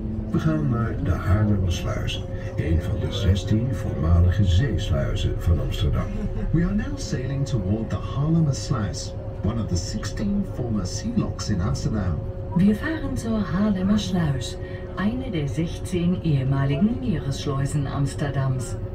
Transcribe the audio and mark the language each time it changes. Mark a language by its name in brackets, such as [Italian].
[Dutch] We gaan naar de Haarlemmersluis, een van de 16 voormalige zeesluizen van Amsterdam. [English] We are now sailing toward the Haarlemmersluis, one of the 16 former sea locks in Amsterdam. [German] Wir fahren zur Haarlemmersluis, eine der 16 ehemaligen Meeresschleusen Amsterdams.